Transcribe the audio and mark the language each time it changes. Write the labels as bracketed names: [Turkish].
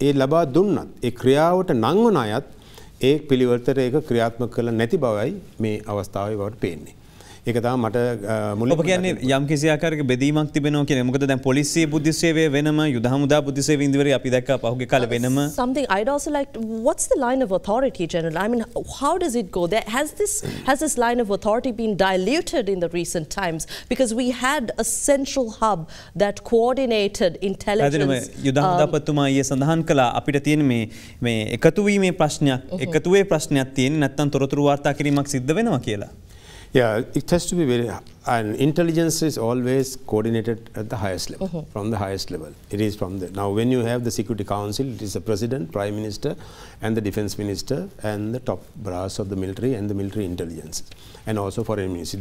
[Sinhala] ඒ ලබා දුන්නත් ඒ ක්‍රියාවට නම් වන අයත් ඒ පිළිවෙලට ඒක ක්‍රියාත්මක කළ නැති බවයි මේ අවස්ථාවේ බවට පේන්නේ. ඒක තමයි මට මුලින්ම ඔබ කියන්නේ යම් කිසි ආකාරයක බෙදීමක් තිබෙනවා කියන්නේ මොකද දැන් පොලිසිය බුද්ධි සේවය වෙනම යුද හමුදා බුද්ධි සේවය ඉන්දිවරි අපි දැක්කා පහුගිය කාලේ වෙනම [English] something I'd also like what's the line of authority general I mean how does it go there has this line of authority been diluted in the recent times because we had a central hub that coordinated intelligence [Sinhala] යුද හමුදා පතුමා ඊයේ සඳහන් කළා අපිට තියෙන මේ එකතු වීමේ ප්‍රශ්නයක් එකතුවේ ප්‍රශ්නයක් තියෙන්නේ නැත්තම් තොරතුරු වාර්තා කිරීමක් සිද්ධ වෙනවා කියලා [English] Yeah, it has to be very, and intelligence is always coordinated at the highest level, from the highest level. It is from there. Now, when you have the Security Council, it is the President, Prime Minister, and the Defense Minister, and the top brass of the military and the military intelligence, and also Foreign Ministry.